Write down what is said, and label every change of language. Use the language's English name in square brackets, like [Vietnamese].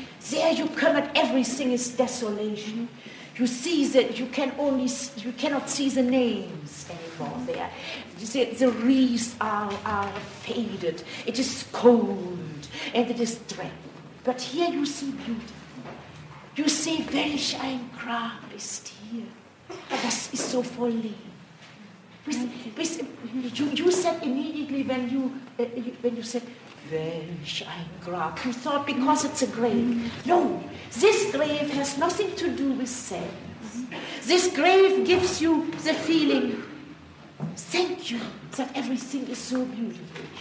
[English] There you come and everything is desolation. You see that you can only, you cannot see the names anymore there. The wreaths are faded. It is cold and it is dread. But here you see beauty. You see [German] welch ein Grab ist hier. [English] But [German] das ist so voll leer. [English] You said immediately when you said, [German] welch ein Grab, [English] you thought because it's a grave. No, this grave has nothing to do with sadness. This grave gives you the feeling, thank you, that everything is so beautiful.